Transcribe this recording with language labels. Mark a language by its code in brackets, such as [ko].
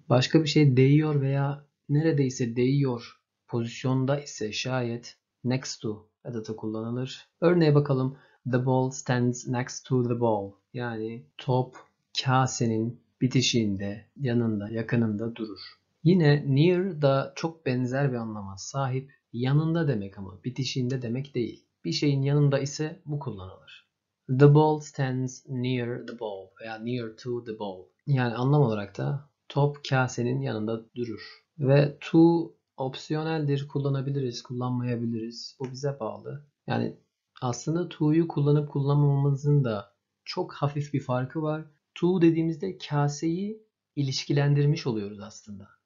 [tr] Başka bir şeye değiyor veya neredeyse değiyor pozisyonda ise şayet next to edatı kullanılır. Örneğe bakalım. [en] The ball stands next to the ball. [tr] Yani top kasenin bitişiğinde, yanında, yakınında durur. Yine near da çok benzer bir anlama sahip. Yanında demek ama bitişiğinde demek değil. Bir şeyin yanında ise bu kullanılır. [en] The ball stands near the ball [tr] veya [en] near to the ball. [tr] Yani anlam olarak da top kasenin yanında durur. Ve to opsiyoneldir. Kullanabiliriz, kullanmayabiliriz. Bu bize bağlı. Yani aslında to'yu kullanıp kullanmamamızın da çok hafif bir farkı var. To dediğimizde kaseyi ilişkilendirmiş oluyoruz aslında.